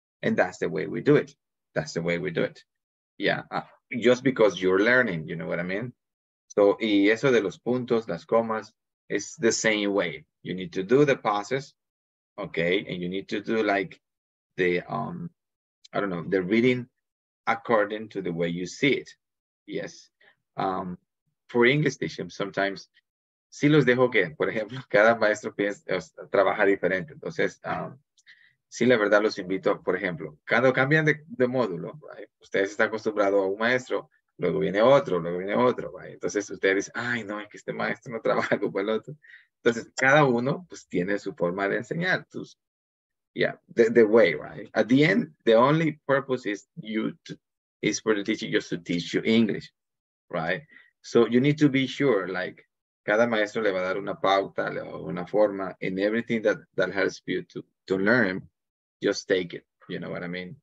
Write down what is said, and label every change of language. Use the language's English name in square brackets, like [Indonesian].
[English] And that's the way we do it. That's the way we do it. Yeah, just because you're learning, you know what I mean? [Spanish] So, y eso de los puntos, las comas, [English] it's the same way. You need to do the process, okay? And you need to do like the, I don't know, the reading according to the way you see it. Yes. For English teaching, sometimes, [Spanish] si los dejo que, por ejemplo, cada maestro trabaja diferente. Entonces, si la verdad los invito, por ejemplo, cuando cambian de módulo, right, ustedes están acostumbrados a un maestro, luego viene otro, right? Entonces ustedes dicen, ay, no, es que este maestro no trabaja como el otro. Entonces, cada uno, pues, tiene su forma de enseñar. [English] Entonces, yeah, the way, right? At the end, the only purpose is for the teacher just to teach you English, right? So you need to be sure, like, [Spanish] cada maestro le va a dar una pauta, le va a dar una forma, [English] and everything that helps you to learn, just take it, you know what I mean?